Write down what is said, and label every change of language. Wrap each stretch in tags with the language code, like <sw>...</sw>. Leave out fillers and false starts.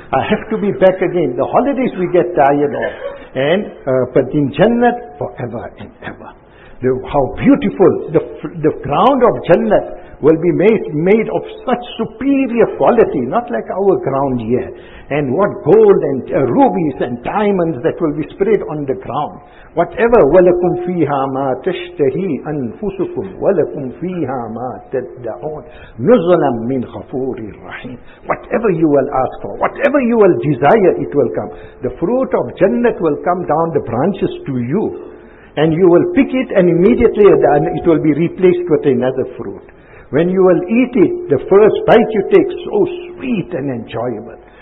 <en>I have to be back again. The holidays we get tired of. And but in Jannah, forever and ever. How beautiful. The ground of Jannah will be made of such superior quality, not like our ground here. And what gold and rubies and diamonds that will be spread on the ground. Whatever,</en> <ar>وَلَكُمْ فِيهَا مَا تَشْتَهِي أَنفُسُكُمْ وَلَكُمْ فِيهَا مَا تَدَّعُونَ نُزُلًا مِّنْ خَفُورِ الرَّحِيمِ.</ar> <en>Whatever you will ask for, whatever you will desire, it will come. The fruit of Jannah will come down the branches to you. And you will pick it, and immediately it will be replaced with another fruit. When you will eat it, the first bite you take, so sweet and enjoyable.</en>